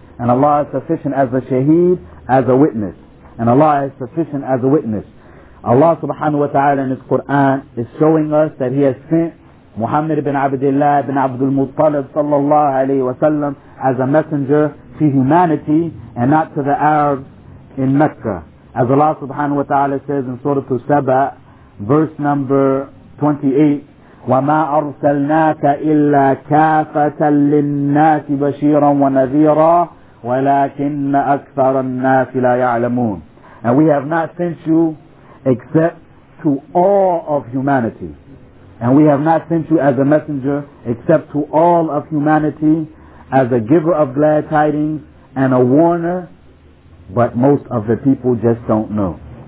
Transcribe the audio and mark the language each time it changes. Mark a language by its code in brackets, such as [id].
[en] And Allah is sufficient as a shaheed, as a witness. And Allah is sufficient as a witness. Allah subhanahu wa ta'ala in His Quran is showing us that He has sent Muhammad ibn Abdullah ibn Abdul Muttalib sallallahu alayhi wa sallam as a messenger to humanity and not to the Arabs in Mecca. As Allah subhanahu wa ta'ala says in Surah Saba, verse number 28, [ar] وَمَا أَرْسَلْنَاكَ إِلَّا كَافَةً لِلنَّاسِ بَشِيرًا وَنَذِيرًا وَلَكِنَّ أَكْثَرَ النَّاسِ لَا يَعْلَمُونَ. [en] And we have not sent you except to all of humanity. And we have not sent you as a messenger except to all of humanity, as a giver of glad tidings and a warner, but most of the people just don't know.